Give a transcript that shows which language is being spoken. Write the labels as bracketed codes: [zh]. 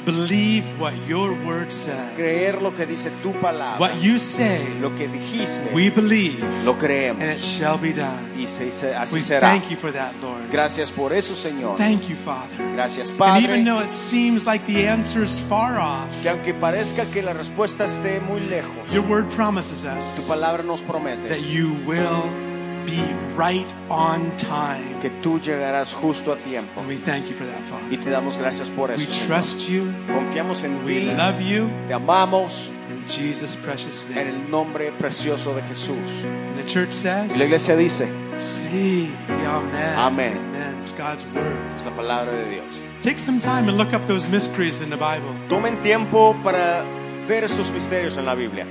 [en] Believe what your word says. [es] Creer lo que dice tu palabra. [en] What you say. [es] Lo que dijiste. [en] We believe. [es] Lo creemos. [en] And it shall be done. [es] Y se, así [en] we [es] será. [en] Thank you for that, Lord. [es] Gracias por eso, Señor. [en] Thank you, Father. [es] Gracias, Padre. [en] And even though it seems like the answer is far off. [es] Que aunque parezca que la respuesta esté muy lejos. [en] Your word promises us. [es] Tu palabra nos promete. [en] That you will be right on time. [es] Que tú llegarás justo a tiempo. [en] And we thank you for that, Father. [es] Y te damos gracias por eso. [en] We trust you. [es] Confiamos en [en] we [es] ti. [en] Love you. [es] Te amamos. [en] In Jesus' precious name. [es] En el nombre precioso de Jesús. [en] And the church says. [es] Y la iglesia dice. Sí. Amen. [en] Amen. Amen. It's God's word. [es] Es la palabra de Dios. [en] Take some time and look up those mysteries in the Bible. [es] Tomen tiempo para ver estos misterios en la Biblia.